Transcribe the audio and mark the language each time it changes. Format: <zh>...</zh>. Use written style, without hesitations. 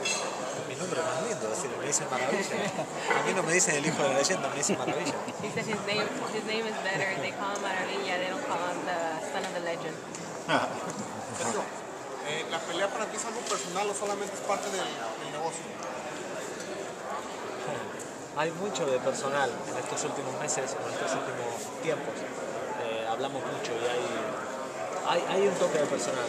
<es>A mí no me dicen el hijo de la leyenda, me dicen Maravilla.</es> <en>He said his name is better. They call him Maravilla, they don't call him the son of the legend.</en> <es>¿La pelea para ti es algo personal o solamente es parte del negocio? Hay mucho de personal en estos últimos meses, en estos últimos tiempos. Hablamos mucho y hay un toque de personal.</es>